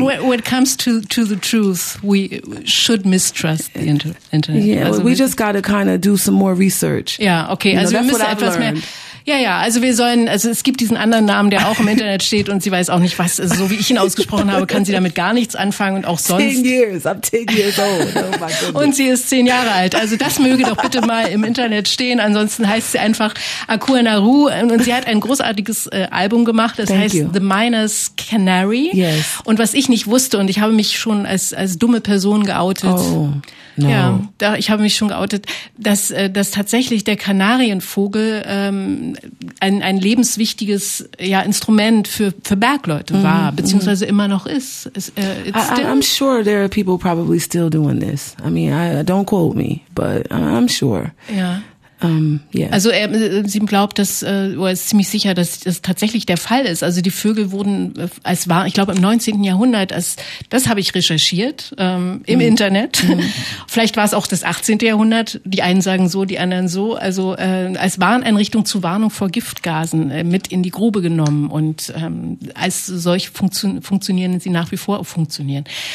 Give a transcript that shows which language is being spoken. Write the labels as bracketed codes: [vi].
[en] But when it comes to the truth, we should mistrust the internet. Yeah, we just got to kind of do some more research. Yeah, okay. You know, [de] also [en] that's what I've learned. [de] Also es gibt diesen anderen Namen, der auch im Internet steht und sie weiß auch nicht, was, also so wie ich ihn ausgesprochen habe, kann sie damit gar nichts anfangen und auch sonst. [en] 10 years, I'm 10 years old. Oh my [de] und sie ist 10 Jahre alt. Also das möge doch bitte mal im Internet stehen. Ansonsten heißt sie einfach Akua Naru und sie hat ein großartiges Album gemacht. Das [en] Thank [de] heißt [en] you. The Miner's Canary. Yes. [de] Und was ich nicht wusste und ich habe mich schon als dumme Person geoutet. [en] Oh. No. [de] Ja, da ich habe mich schon geoutet, dass tatsächlich der Kanarienvogel ein lebenswichtiges Instrument für Bergleute war, beziehungsweise immer noch ist. [en] I'm sure there are people probably still doing this. I mean, I don't quote me, but I'm sure. [de] Ja. [en] Yeah. [de] Also sie glaubt, dass oder ist ziemlich sicher, dass das tatsächlich der Fall ist. Also die Vögel wurden als war, ich glaube im 19. Jahrhundert, das habe ich recherchiert im Internet. Mm. Vielleicht war es auch das 18. Jahrhundert. Die einen sagen so, die anderen so. Also als Warneinrichtung zur Warnung vor Giftgasen mit in die Grube genommen und als solche funktionieren sie nach wie vor auch funktionieren.